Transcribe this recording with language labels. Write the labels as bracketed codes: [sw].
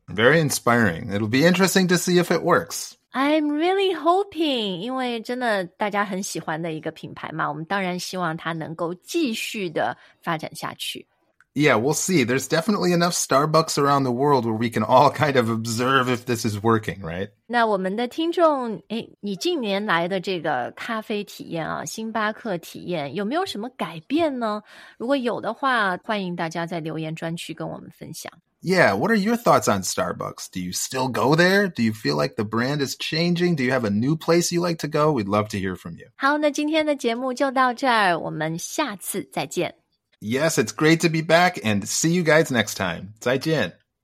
[en] Very inspiring. It'll be interesting to see if it works. I'm really hoping, [zh] 因为真的大家很喜欢的一个品牌嘛，我们当然希望它能够继续的发展下去。 [en] Yeah, we'll see. There's definitely enough Starbucks around the world where we can all kind of observe if this is working, right? [zh] 那我们的听众，你近年来的这个咖啡体验啊，星巴克体验，有没有什么改变呢？如果有的话，欢迎大家在留言专区跟我们分享。 [en] Yeah, what are your thoughts on Starbucks? Do you still go there? Do you feel like the brand is changing? Do you have a new place you like to go? We'd love to hear from you. [zh] 好，那今天的节目就到这儿，我们下次再见。 [en] Yes, it's great to be back, and see you guys next time. [zh] 再见!